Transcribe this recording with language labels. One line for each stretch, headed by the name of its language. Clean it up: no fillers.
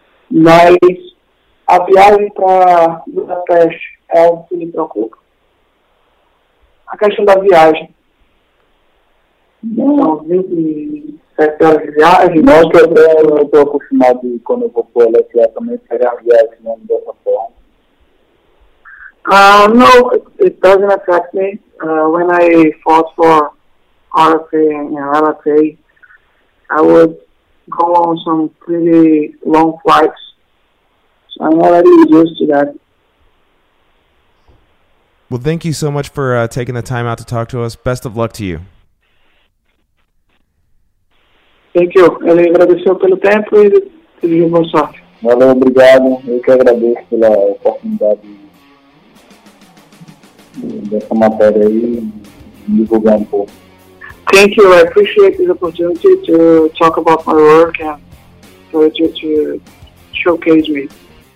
Portuguese: Mas a viagem para Budapeste é algo que me preocupa. A questão da viagem. São 27 horas de viagem. Não, que eu estou acostumado de, quando eu vou para o LFA também pegar a viagem, né, dessa forma.
English: Não, it doesn't affect me. When I fought for RFA and LFA, I would go on some pretty long flights, so I'm already used to that. Well, thank you so much for taking the time out to talk to us. Best of luck to you. Thank you.
Portuguese: Ele agradeceu pelo tempo e desejou boa sorte. Valeu, obrigado. Eu que agradeço pela oportunidade dessa matéria aí, divulgar um pouco.
English: Thank you. I appreciate this opportunity to talk about my work and for you to showcase me.